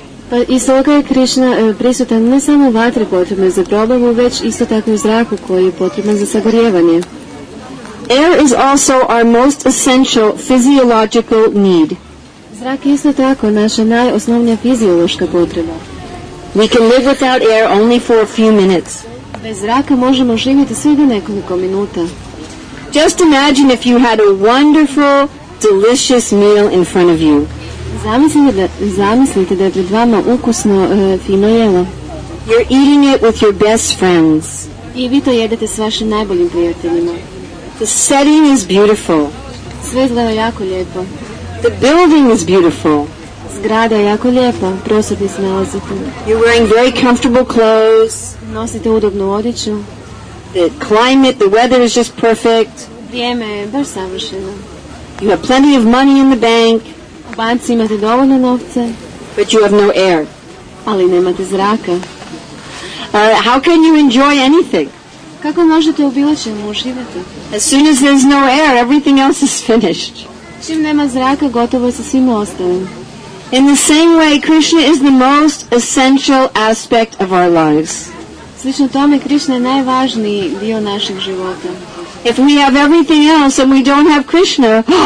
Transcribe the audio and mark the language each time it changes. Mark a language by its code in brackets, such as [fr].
[hr] Pa isto tako je Krishna prisutan ne samo u vatri potrebnoj za probavu, već isto tako I u zraku koji je potreban za sagorjevanje. [en] Air is also our most essential physiological need. [hr] Zrak je isto tako naša najosnovnija fiziološka potreba. [en] We can live without air only for a few minutes. [hr] Bez zraka možemo živjeti svega nekoliko minuta. [en] Just imagine if you had a wonderful, delicious meal in front of you. [hr] Zamislite da je pred vama ukusno, fino jelo. [en] You're eating it with your best friends. [hr] I vi to jedete s vašim najboljim prijateljima. [en] The setting is beautiful. [hr] Sve izgleda jako lijepo. [en] The building is beautiful. [hr] Zgrada je jako lijepa, prostor gdje se nalazite. [en] You're wearing very comfortable clothes. [hr] Nosite udobnu odjeću. [en] The climate, the weather is just perfect. [hr] Vrijeme je baš savršeno. [en] You have plenty of money in the bank. [hr] U banci imate dovoljno novca. [en] But you have no air. [hr] Ali nemate zraka. [en] How can you enjoy anything? [hr] Kako možete u bilo čemu uživati? [en] As soon as there's no air, everything else is finished. [hr] Čim nema zraka, gotovo je sa svim ostalim. [en] In the same way, Krishna is the most essential aspect of our lives. [hr] Slično tome, Krishna je najvažniji dio našeg života. [en] If we have everything else and we don't have Krishna,